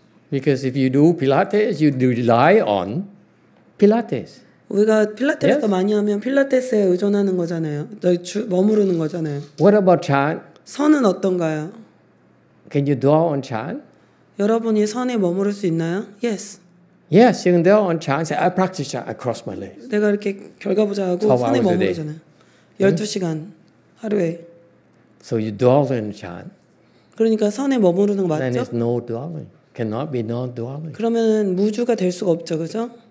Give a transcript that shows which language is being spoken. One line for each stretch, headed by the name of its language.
English: Because if you do Pilates, you rely on Pilates.
Korean: 우리가 필라테를
English: yes?
Korean: 더 많이 하면 필라테스에 의존하는 거잖아요. 머무르는 거잖아요.
English: What about chant?
Korean: 선은 어떤가요?
English: Can you dwell on chant?
Korean: 여러분이 선에 머무를 수 있나요?
English: Yes. Yeah, sitting there on chair, I practice that. I cross my legs.
Korean: 내가 이렇게 결과 보자고 산에 머무르잖아요. 12시간 하루에.
English: So you dwell in chan.
Korean: 그러니까 선에 머무르는 거 맞죠?
English: Then it's no dwelling. Cannot be no dwelling.
Korean: 그러면 무주가 될 수가 없죠, 그죠?